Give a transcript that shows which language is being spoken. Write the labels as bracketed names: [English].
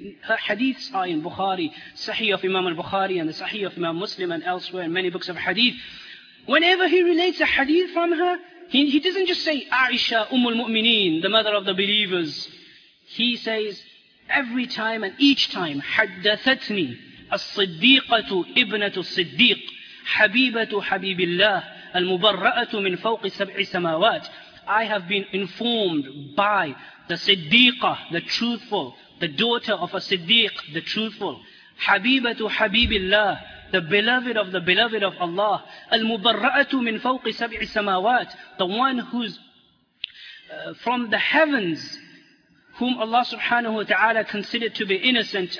[English] Her hadiths are in Bukhari, Sahih of Imam al-Bukhari, and the Sahih of Imam Muslim, and elsewhere in many books of hadith. Whenever he relates a hadith from her, he doesn't just say, Aisha, Ummul Mu'mineen, the mother of the believers. He says, every time and each time, [Arabic] حدثتني الصديقة ابنة الصديق حبيبة حبيب الله المبرأة من فوق سبع سماوات. [English] I have been informed by the Siddiqa, the truthful, the daughter of a Siddiq, the truthful. [Arabic] حبيبة حبيب الله, [English] the beloved of the beloved of Allah. [Arabic] المبرأة من فوق سبع سماوات, [English] the one who's from the heavens, whom Allah subhanahu wa ta'ala considered to be innocent.